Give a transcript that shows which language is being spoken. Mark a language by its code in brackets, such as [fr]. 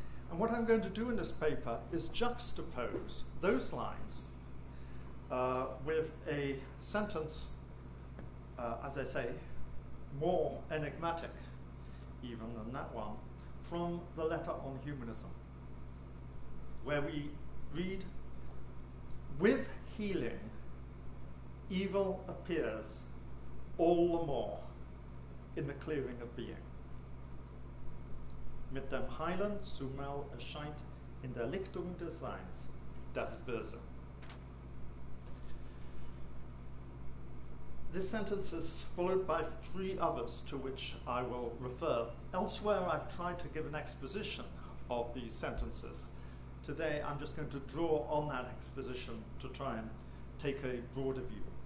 [en] And what I'm going to do in this paper is juxtapose those lines with a sentence, as I say, more enigmatic even than that one, from the letter on humanism, where we read, with healing, evil appears all the more in the clearing of being. [de] Mit dem Heilen zumal erscheint in der Lichtung des Seins das Böse. [en] This sentence is followed by three others to which I will refer. Elsewhere, I've tried to give an exposition of these sentences. Today, I'm just going to draw on that exposition to try and take a broader view.